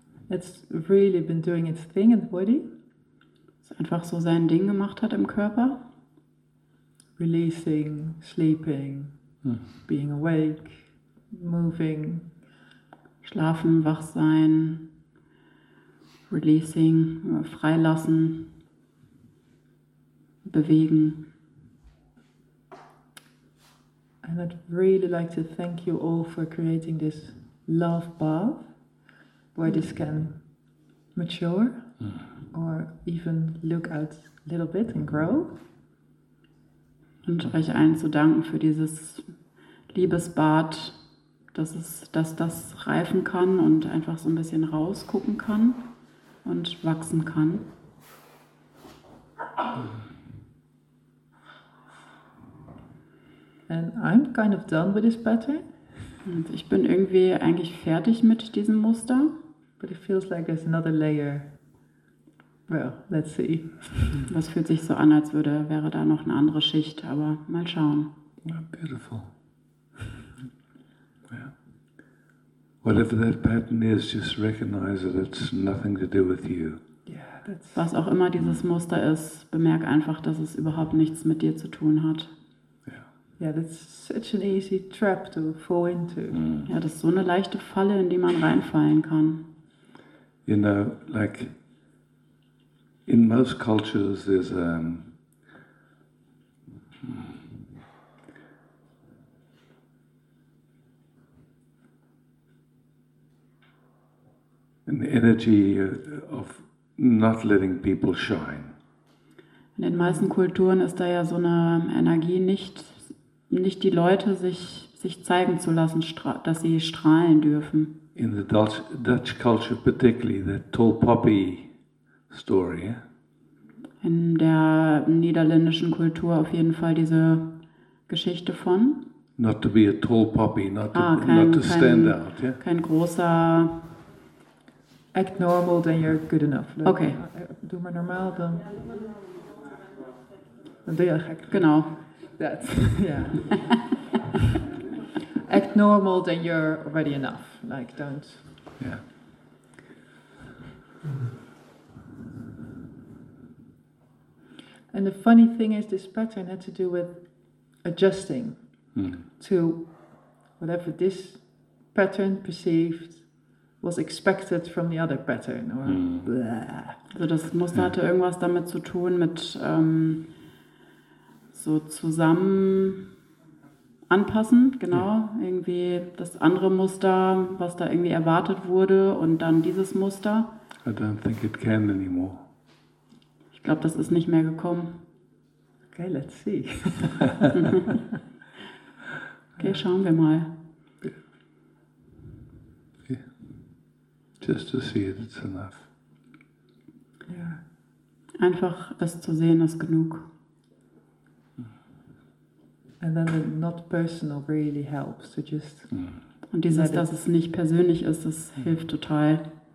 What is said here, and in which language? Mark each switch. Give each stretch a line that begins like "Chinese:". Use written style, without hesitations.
English: It's really been doing its thing in the body.
German: Es einfach so sein Ding gemacht hat im Körper.
English: Releasing, sleeping, being awake, moving.
German: Schlafen, wach sein, releasing, freilassen, bewegen.
English: And I'd really like to thank you all for creating this love bath, where this can mature or even look out a little bit and grow.
German: Und euch allen zu danken für dieses Liebesbad. Dass es, dass das reifen kann und einfach so ein bisschen rausgucken kann und wachsen kann.
English: And I'm kind of done with this pattern.
German: Und ich bin irgendwie eigentlich fertig mit diesem Muster.
English: But it feels like there's another layer. Well, let's see.
German: Das fühlt sich so an, als würde, wäre da noch eine andere Schicht, aber mal schauen.
English: Beautiful. Whatever that pattern is, just recognize that it's nothing to do with you. Yeah, that's.
German: Was auch immer dieses Muster ist, bemerk einfach, dass es überhaupt nichts mit dir zu tun hat.
English: Yeah. Yeah, that's such an easy trap to fall into. Mm.
German: Ja, das ist so eine leichte Falle, in die man reinfallen kann.
English: You know, like in most cultures, there's an energy of not letting people shine.
German: In den meisten Kulturen ist da ja so eine Energie, nicht die Leute sich zeigen zu lassen, dass sie strahlen dürfen.
English: In the Dutch culture particularly, the tall poppy story.
German: In der niederländischen Kultur auf jeden Fall diese Geschichte von
English: not to be a tall poppy, not to stand out. Yeah?
German: Kein großer
English: act normal, then you're good enough. Like, okay.
Dutch: Doe maar normaal, dan. Dan doe je gek.
German: Genau.
English: That. Yeah. Act normal, then you're already enough. Like, don't. Yeah. And the funny thing is, this pattern had to do with adjusting to whatever this pattern perceived was expected from the other pattern. Or
German: also das Muster hatte irgendwas damit zu tun, mit so zusammen anpassen, genau.
English: Yeah.
German: Irgendwie das andere Muster, was da irgendwie erwartet wurde und dann dieses Muster.
English: I don't think it can anymore.
German: Ich glaube, das ist nicht mehr gekommen.
English: Okay, let's see.
German: Okay, schauen wir mal.
English: Just to see it, it's enough. Yeah.
German: Einfach das zu sehen ist genug.
English: And then the not personal really helps to just.
German: Und dieses, dass es nicht persönlich ist, das hilft total.